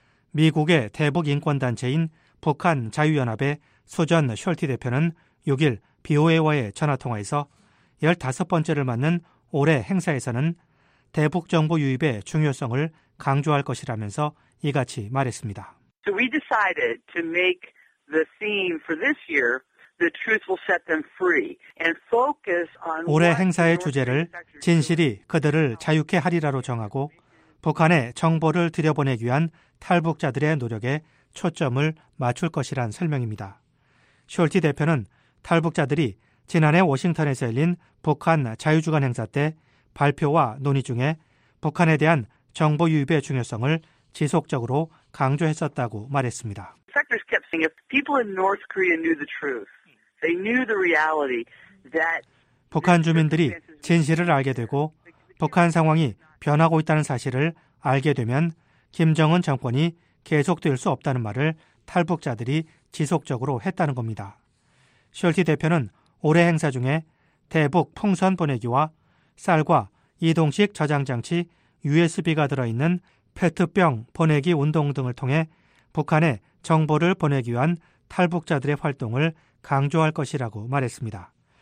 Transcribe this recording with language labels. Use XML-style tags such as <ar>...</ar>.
<ko>미국의 대북인권단체인 북한 자유연합의 소전 숄티 대표는 6일 BOA와의 전화통화에서 15번째를 맞는 올해 행사에서는 대북정보 유입의 중요성을 강조할 것이라면서 이같이 말했습니다.</ko> <en>So we decided to make the theme for this year The truth will set them free and focus on</en> <ko>올해 행사의 주제를 진실이 그들을 자유케 하리라로 정하고 북한의 정보를 들여보내기 위한 탈북자들의 노력에 초점을 맞출 것이란 설명입니다. 숄티 대표는 탈북자들이 지난해 워싱턴에서 열린 북한 자유주간 행사 때 발표와 논의 중에 북한에 대한 정보 유입의 중요성을 지속적으로 강조했었다고 말했습니다.</ko> <en>Sectors kept saying if people in North Korea knew the truth. They knew the reality that</en> <ko>북한 주민들이 진실을 알게 되고 북한 상황이 변하고 있다는 사실을 알게 되면 김정은 정권이 계속될 수 없다는 말을 탈북자들이 지속적으로 했다는 겁니다. 숄티 대표는 올해 행사 중에 대북 풍선 보내기와 쌀과 이동식 저장장치 USB가 들어있는 페트병 보내기 운동 등을 통해 북한에 정보를 보내기 위한 탈북자들의 활동을 강조할 것이라고 말했습니다.</ko>